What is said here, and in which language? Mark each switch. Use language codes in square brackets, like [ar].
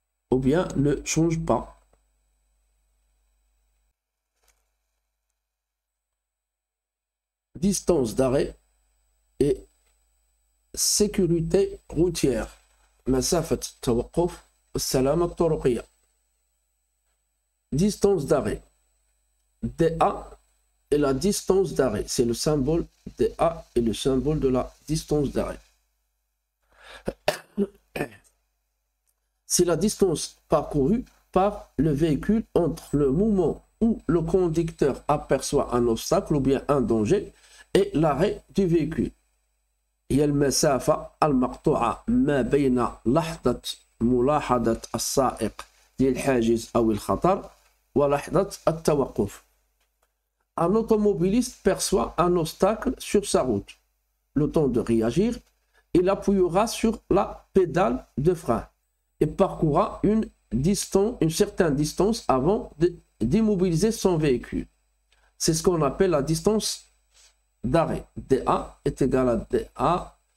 [fr] Ou bien ne change pas. Distance d'arrêt et sécurité routière. [ar] مسافة التوقف والسلامة الطرقية. [fr] Distance d'arrêt. DA est la distance d'arrêt. C'est le symbole DA et le symbole de la distance d'arrêt. C'est la distance parcourue par le véhicule entre le moment où le conducteur aperçoit un obstacle ou bien un danger et l'arrêt du véhicule. [ar] هي المسافة المقطوعة ما بين لحظة ملاحظة السائق للحاجز أو الخطر ولحظة التوقف. [fr] Un automobiliste perçoit un obstacle sur sa route. Le temps de réagir, il appuiera sur la pédale de frein et parcourra une certaine distance avant d'immobiliser son véhicule. C'est ce qu'on appelle la distance d'arrêt. DA est égal à DA.